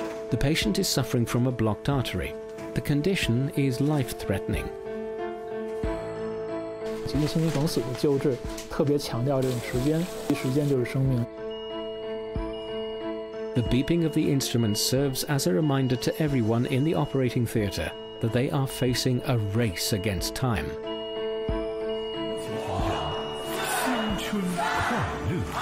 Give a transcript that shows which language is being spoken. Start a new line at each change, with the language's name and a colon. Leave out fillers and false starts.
English: The patient is suffering from a blocked artery. The condition is life-threatening.
Chinese: 急性心肌梗死的救治，特别强调这种时间，时间就是生命。
English: The beeping of the instrument serves as a reminder to everyone in the operating theater that they are facing a race against time.
Chinese: 青春快乐。